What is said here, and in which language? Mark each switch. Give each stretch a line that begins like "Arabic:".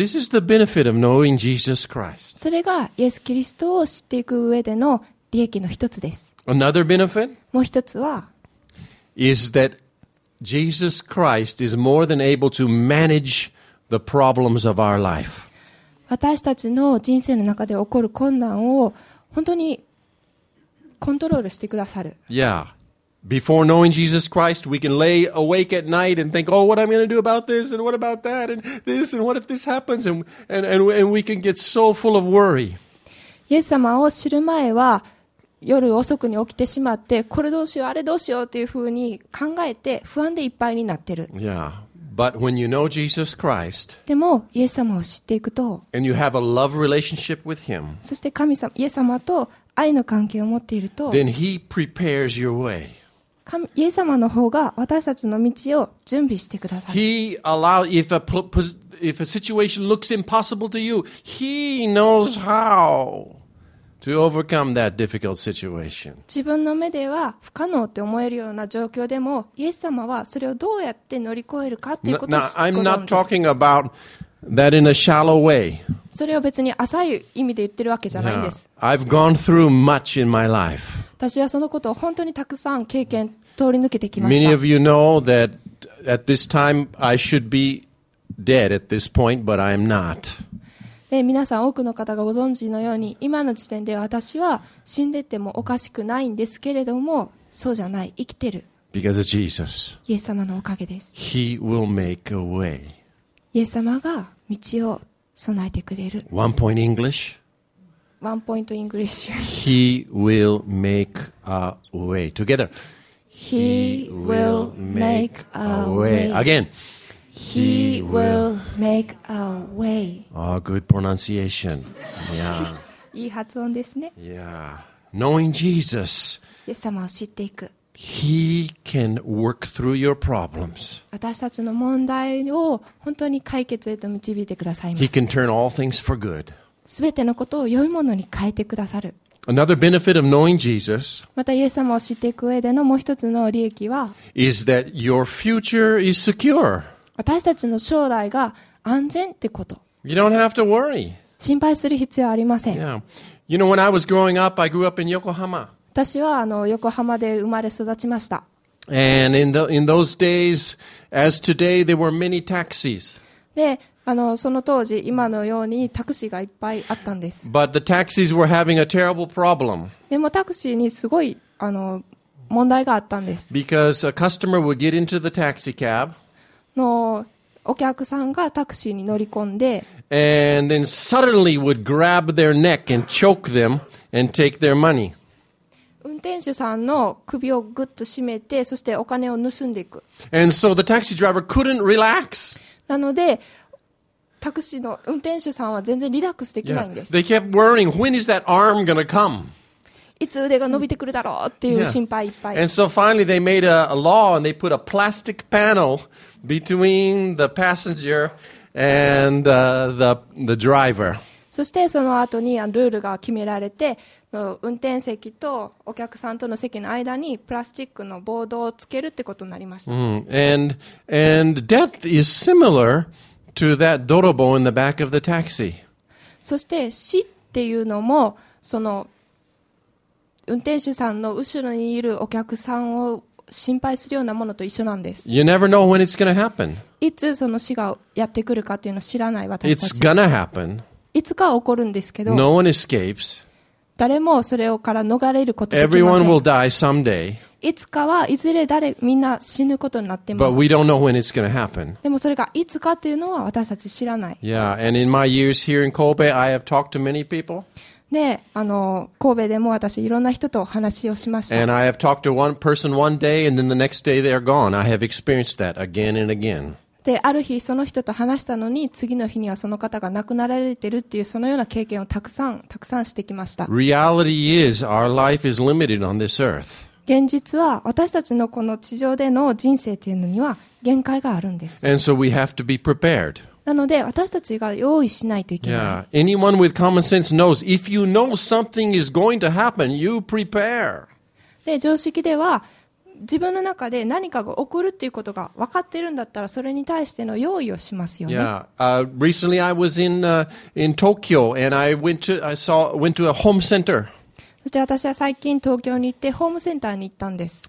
English: This is the benefit of knowing Jesus Christ.
Japanese: それがイエス・キリストを知っていく上での利益の一つです。
English: Another benefit?
Japanese: もう一つは、
English: is that Jesus Christ is more than able to manage the problems of our life.
Japanese: 私たちの人生の中で起こる困難を本当にコントロールしてくださる。 Yeah.
English: Before knowing Jesus Christ, we can lay awake at night and think, oh, what am I going to do about this and what about that and this and what if this happens and we can get so full of worry.
Japanese: イエス様を知る前は、夜遅くに起きてしまって、これどうしよう、あれどうしようというふうに考えて、不安でいっぱいになってる。 Yeah.
English: But when you know Jesus Christ,
Japanese: でも、イエス様を知っていくと、
English: and you have a love relationship with him,
Japanese: そして神様、イエス様と愛の関係を持っていると、
English: then he prepares your way.
Japanese: イエス様の方が私たちの道を準備してくださる。
English: He allows, if a situation looks impossible to you, he knows how. To overcome that difficult situation.
Japanese: 自分の目では不可能って思えるような状況でも、イエス様はそれをどうやって乗り越えるかっていうことを知ってご存じ。
English: Now, I'm not talking about that in a shallow way.
Japanese: それを別に浅い意味で言ってるわけじゃないんです。 Yeah.
English: I've gone through much in my life.
Japanese: 私はそのことを本当にたくさん経験通り抜けてきました。
English: Many of you know that at this time I should be dead at this point, but I am not.
Japanese: で、皆さん多くの方がご存知のように、今の時点で私は死んでてもおかしくないんですけれども、そうじゃない、生きてる。
English: Because of Jesus.
Japanese: イエス様のおかげです。
English: He will make a way.
Japanese: イエス様が道を備えてくれる。
English: One point English. One point English. He will make a way. Together. He will make a way. Again. He will make a way. Oh, good pronunciation. Yeah.
Japanese: いい発音ですね。
English: Yeah. Knowing Jesus.
Japanese: イエス様を知っていく。
English: He can work through your problems.
Japanese: 私たちの問題を本当に解決へと導いてくださいます。
English: He can turn all things for good.
Japanese: 全てのことを良いものに変えてくださる。
English: Another benefit of knowing Jesus.
Japanese: またイエス様を知っていく上でのもう一つの利益は、
English: is that your future is secure.
Japanese: 私たちの将来が安全ってこと。
English: You don't have to worry.
Japanese: 心配する必要ありません。 Yeah.
English: You know, when I was growing up, I grew up in Yokohama.
Japanese: 私は横浜で生まれ育ちました。
English: And in those days, as today, there were many taxis.
Japanese: で、その当時、今のようにタクシーがいっぱいあったんです。
English: But the taxis were having a terrible problem.
Japanese: でもタクシーにすごい問題があったんです。
English: Because a customer would get into the taxi cab.
Japanese: のお客さんがタクシーに乗り込んで、
English: And then suddenly would grab their neck and choke them and take their money.
Japanese: 運転手さんの首をグッと締めて、そしてお金を盗んでいく。
English: And so the taxi driver couldn't relax.
Japanese: なので、タクシーの運転手さんは全然リラックスできないんです。 Yeah.
English: They kept worrying, when is that arm gonna come?
Japanese: いつ腕が伸びてくるだろうっていう心配いっぱい。 Yeah.
English: And so finally they made a law and they put a plastic panel between the passenger and the driver.
Japanese: そしてその後にルールが決められて、運転席とお客さんとの席の間にプラスチックのボードをつけるってことになりました。
English: And death is similar to that dorobo in the back of the taxi.
Japanese: そして死っていうのも、その運転手さんの後ろにいるお客さんを心配するようなものと一緒なんです。
English: You never know when it's gonna happen.
Japanese: いつその死がやってくるかっていうのを知らない私たち。
English: It's gonna happen.
Japanese: いつか起こるんですけど、
English: no、one escapes.
Japanese: 誰もそれをから逃れることができません。
English: Everyone will die someday.
Japanese: いつかはいずれ誰みんな死ぬことになってます。
English: But we don't know when it's going to happen.
Japanese: でもそれがいつかというのは私たち知らない。
English: Yeah, and in my years here in Kobe, I have talked to many people.
Japanese: で、神戸でも私いろんな人と話をしました。
English: And I have talked to one person one day, and then the next day they are gone. I have experienced that again and again.
Japanese: で、ある日その人と話したのに、次の日にはその方が亡くなられてるっていう、そのような経験をたくさんしてきました。
English: Reality is our life is limited on this earth.
Japanese: 現実は私たちのこの地上での人生というのには限界があるんです。
English: And so we have to be prepared.
Japanese: なので私たちが用意しないといけない。 Yeah.
English: Anyone with common sense knows if you know something is going to happen, you prepare.
Japanese: で、常識では自分の中で何かが起こるっていうことが分かってるんだったら、それに対しての用意をしますよね。 Yeah.
English: Recently I was in Tokyo and I went to a home center.
Japanese: そして私は最近東京に行ってホームセンターに行ったんです。